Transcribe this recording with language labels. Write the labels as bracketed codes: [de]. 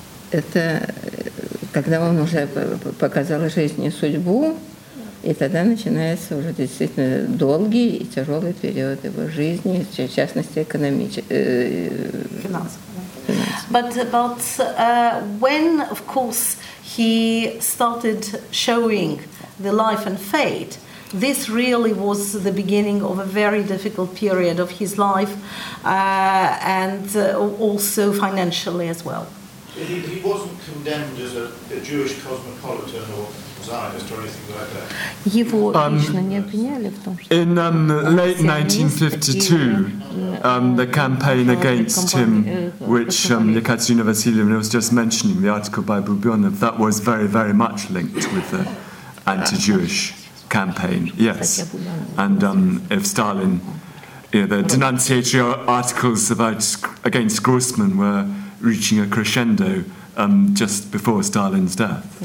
[ru] Это когда он уже показал жизнь и судьбу, и тогда начинается уже действительно долгий и тяжелый период его жизни, в частности, финансовый. [en] But about when, of course, he started showing the life and fate, this really was the beginning of a very difficult period of his life, and also financially as well. He wasn't condemned as a Jewish cosmopolitan or Zionist or anything like that. [ru] Его лично не обвиняли в том, что [en] in late 1952, the campaign against him, which Екатерина Васильевна was just mentioning, the article by Бубенов, that was very, very much linked with the anti-Jewish campaign. Yes, and if Stalin, the denunciatory articles about against Grossman were reaching a crescendo just before Stalin's death.